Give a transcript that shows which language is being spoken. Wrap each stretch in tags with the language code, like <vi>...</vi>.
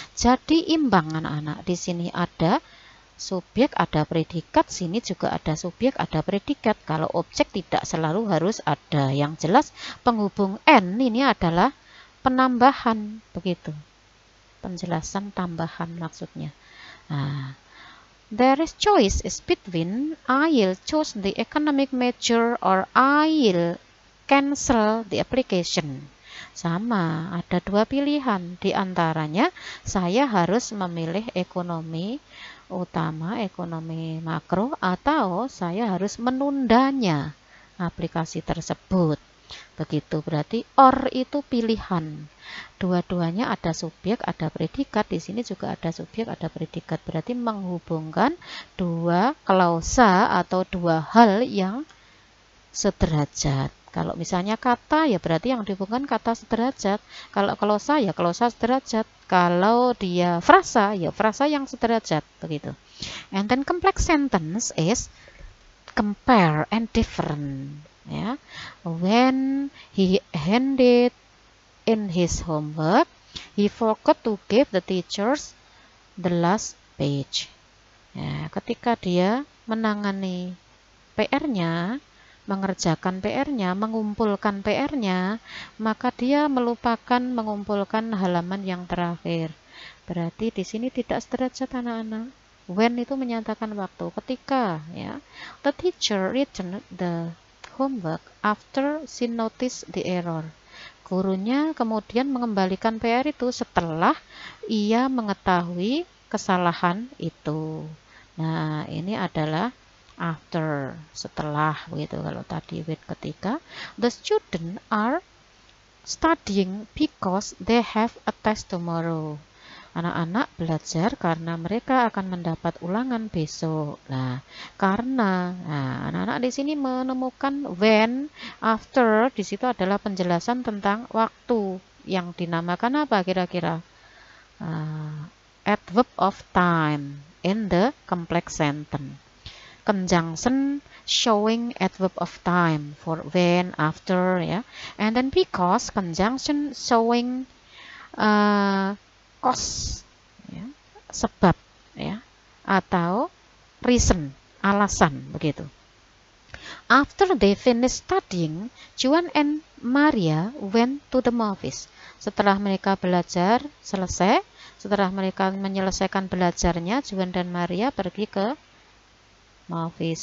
<id>Jadi imbang anak-anak, di sini ada subjek, ada predikat, sini juga ada subjek, ada predikat. Kalau objek tidak selalu harus ada, yang jelas penghubung N ini adalah penambahan, begitu. Penjelasan tambahan maksudnya.</id> <en>There is choice is between I'll choose the economic major or I'll cancel the application.</en> <id>Sama, ada dua pilihan. Di antaranya, saya harus memilih ekonomi utama, ekonomi makro, atau saya harus menundanya aplikasi tersebut. Begitu, berarti or itu pilihan. Dua-duanya ada subjek, ada predikat. Di sini juga ada subjek, ada predikat. Berarti menghubungkan dua klausa atau dua hal yang sederajat. Kalau misalnya kata, ya berarti yang dihubungkan kata sederajat. Kalau klausa, ya klausa sederajat. Kalau dia frasa, ya frasa yang sederajat. Begitu.</id> <en>And then complex sentence is compare and different. Ya, when he handed in his homework, he forgot to give the teachers the last page.</en> <id>Ya, ketika dia menangani PR-nya, mengerjakan PR-nya, mengumpulkan PR-nya, maka dia melupakan mengumpulkan halaman yang terakhir. Berarti di sini tidak sederajat anak-anak. When itu menyatakan waktu, ketika, ya.</id> <en>The teacher returned the homework after she noticed the error.</en> <id>Gurunya kemudian mengembalikan PR itu setelah ia mengetahui kesalahan itu. Nah, ini adalah after, setelah, gitu. Kalau tadi with, ketika.</id> <en>The students are studying because they have a test tomorrow.</en> <id>Anak-anak belajar karena mereka akan mendapat ulangan besok. Nah, karena anak-anak di sini menemukan when, after, di situ adalah penjelasan tentang waktu yang dinamakan apa kira-kira?</id> <en>Adverb of time in the complex sentence. Conjunction showing adverb of time for when, after, ya. And then because conjunction showing cause, ya, sebab, ya, atau reason, alasan, begitu. After they finished studying, Juan and Maria went to the movies.</en> <id>Setelah mereka belajar selesai, setelah mereka menyelesaikan belajarnya, Juan dan Maria pergi ke movies.</id>